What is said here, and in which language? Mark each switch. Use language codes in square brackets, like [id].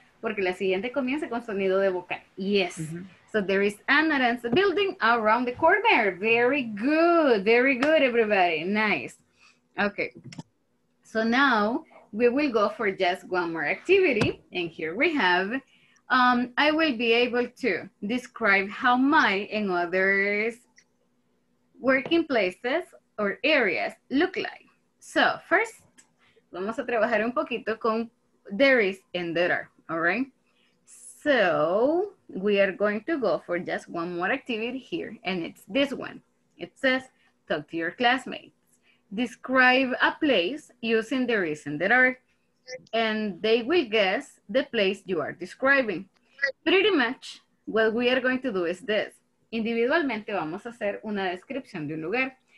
[es] Porque la siguiente comienza con sonido de vocal. [en] Yes. Mm-hmm. So there is an ransom building around the corner. Very good, everybody. Nice. Okay. So now we will go for just one more activity. And here we have, I will be able to describe how my and others' working places or areas look like. [es] So first, vamos a trabajar un poquito con there is and there are, all right? [en] So we are going to go for just one more activity here, and it's this one. It says, talk to your classmates. Describe a place using there is and there are, and they will guess the place you are describing. Pretty much what we are going to do is this. [es] Individualmente vamos a hacer una descripción de un lugar.